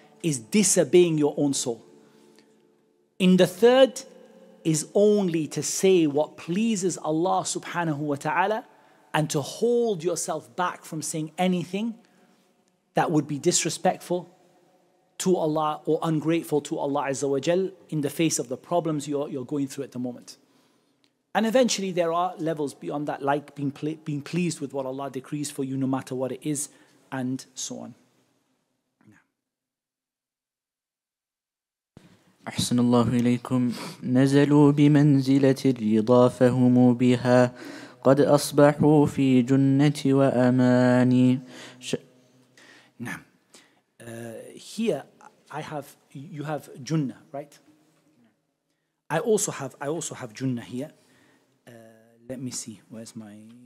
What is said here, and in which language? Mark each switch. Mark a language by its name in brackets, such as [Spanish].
[English] is disobeying your own soul. In the third is only to say what pleases Allah subhanahu wa ta'ala and to hold yourself back from saying anything that would be disrespectful to Allah or ungrateful to Allah Azza wa Jal in the face of the problems you're going through at the moment. And eventually there are levels beyond that, like being pleased with what Allah decrees for you no matter what it is, and so on. [Arabic] أحسن الله إليكم نزلوا بمنزلة الرضا فهم بها قد أصبحوا في جنة وأماني [English] نعم here I have, you have Jannah, right? I also have Jannah here. Let me see, where's my...